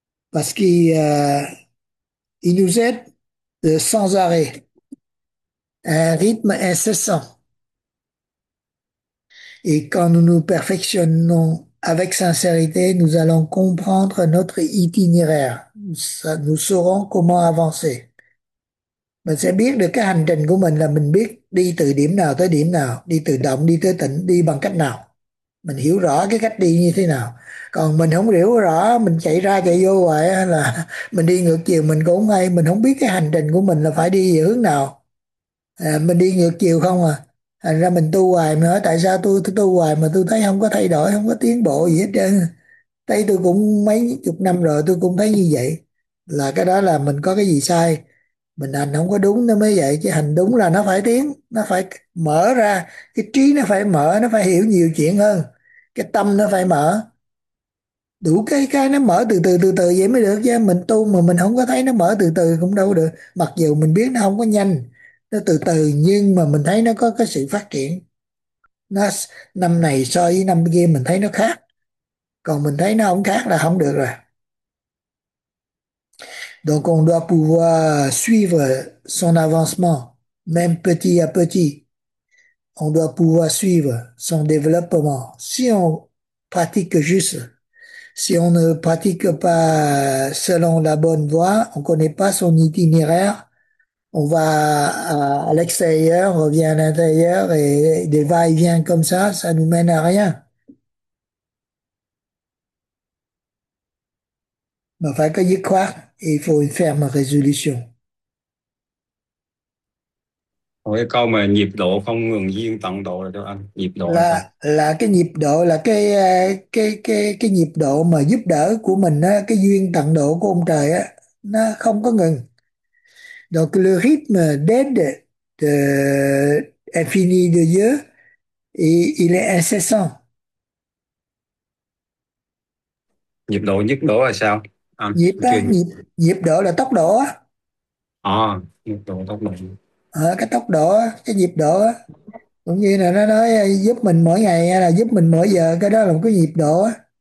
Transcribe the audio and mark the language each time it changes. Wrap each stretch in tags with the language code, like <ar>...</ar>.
<fr>Parce qu'il nous aide sans arrêt, un rythme incessant. Et quand nous nous perfectionnons avec sincérité, nous allons comprendre notre itinéraire. Nous saurons comment avancer.</fr> <vi>Mình sẽ biết được cái hành trình của mình, là mình biết đi từ điểm nào tới điểm nào, đi từ động, đi tới tĩnh, đi bằng cách nào. Mình hiểu rõ cái cách đi như thế nào. Còn mình không hiểu rõ, mình chạy ra chạy vô vậy là mình đi ngược chiều, mình cũng hay, mình không biết cái hành trình của mình là phải đi về hướng nào. À, mình đi ngược chiều không à. Thành ra mình tu hoài, mình hỏi tại sao tu hoài mà tôi thấy không có thay đổi, không có tiến bộ gì hết trơn. Thấy tôi cũng mấy chục năm rồi tôi cũng thấy như vậy. Là cái đó là mình có cái gì sai, mình hành không có đúng nó mới vậy. Chứ hành đúng là nó phải tiến, nó phải mở ra, cái trí nó phải mở, nó phải hiểu nhiều chuyện hơn, cái tâm nó phải mở. Đủ cái nó mở từ từ từ từ vậy mới được. Chứ mình tu mà mình không có thấy nó mở từ từ cũng đâu được. Mặc dù mình biết nó không có nhanh, nó từ từ, nhưng mà mình thấy nó có cái sự phát triển. Nó năm này so với năm kia mình thấy nó khác. Còn mình thấy nó không khác là không được rồi.</vi> <fr>Donc on doit pouvoir suivre son avancement, même petit à petit. On doit pouvoir suivre son développement. Si on pratique juste, si on ne pratique pas selon la bonne voie, on ne connaît pas son itinéraire, on va à l'extérieur, on revient à l'intérieur et des va-et-vient comme ça nous mène à rien. Mais enfin, que y croire, il faut une ferme résolution.</fr> <vi>Cái câu mà nhịp độ không ngừng duyên tận độ là cho anh nhịp độ là sao? Là cái nhịp độ, là cái nhịp độ mà giúp đỡ của mình á, cái duyên tận độ của ông trời á, nó không có ngừng.</vi> <fr>Donc le rythme d'aide de infini de Dieu, il est incessant.</fr> <vi>Nhịp độ nhất độ là sao anh? Nhịp Tôi á, chưa. nhịp nhịp độ là tốc độ á. Nhịp độ tốc độ. À, cái tốc độ á, cái nhịp độ á, cũng như là nó nói giúp mình mỗi ngày hay là giúp mình mỗi giờ, cái đó là một cái nhịp độ á.</vi>